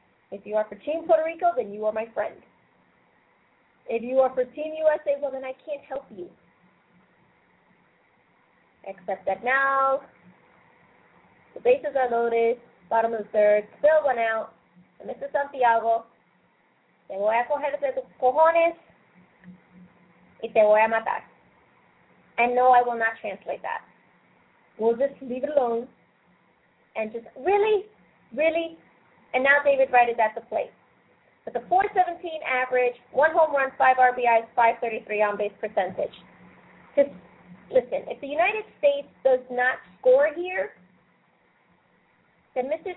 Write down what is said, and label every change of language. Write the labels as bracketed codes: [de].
[en] If you are for Team Puerto Rico, then you are my friend. If you are for Team USA, well, then I can't help you. Except that now, the bases are loaded, bottom of the third, still one out, and Mr. [es] Santiago, te voy a coger de tus cojones, y te voy a matar. [en] And no, I will not translate that. We'll just leave it alone, and just really, really, and now David Wright is at the plate. With a 417 average, one home run, five RBIs, 533 on-base percentage. Just listen, if the United States does not score here, then Mr.